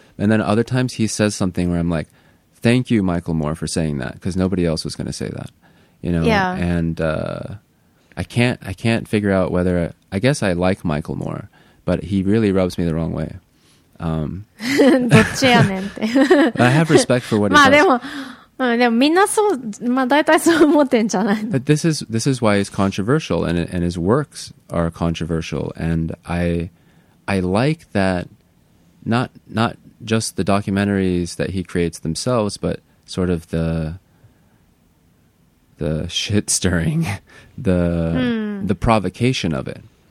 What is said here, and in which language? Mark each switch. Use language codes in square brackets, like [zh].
[en] And then other times he says something where I'm like,Thank you, Michael Moore, for saying that, because nobody else was going to say that, you know? Yeah. And I can't figure out whether, I guess I like Michael Moore, but he really rubs me the wrong way. [ja] どっちやねんって。 [en] But I have respect for what he does. [ja] まあでも、みんなそう、まあ大体そう思ってんじゃない。 [en] But this is why he's controversial, and his works are controversial, and I like that not,just the documentaries that he creates themselves, but sort of the shit stirring, the provocation of it.